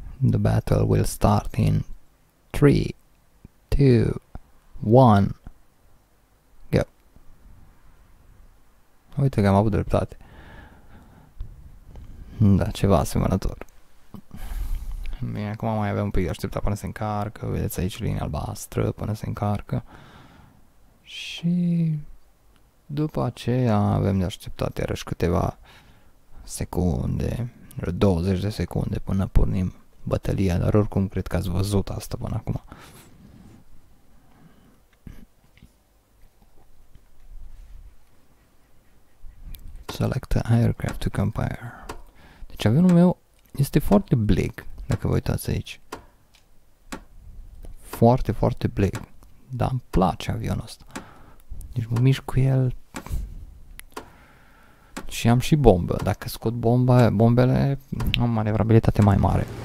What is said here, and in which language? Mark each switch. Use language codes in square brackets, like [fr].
[en] The battle will start in 3, 2, 1, go. [ro] Uite că am avut dreptate. Da, ceva asemănător. Bine, acum mai avem un pic de așteptat până se încarcă. Vedeți aici linia albastră până se încarcă. Și după aceea avem de așteptat iarăși câteva secunde, 20 de secunde până pornim bătălia, dar oricum cred că ați văzut asta până acum. [en] Select the aircraft to compare. [ro] Deci avionul meu este foarte big, dacă vă uitați aici. Foarte, foarte big. Dar îmi place avionul ăsta. Deci mă mișc cu el. Și am și bombă. Dacă scot bomba, bombele, am manevrabilitate mai mare.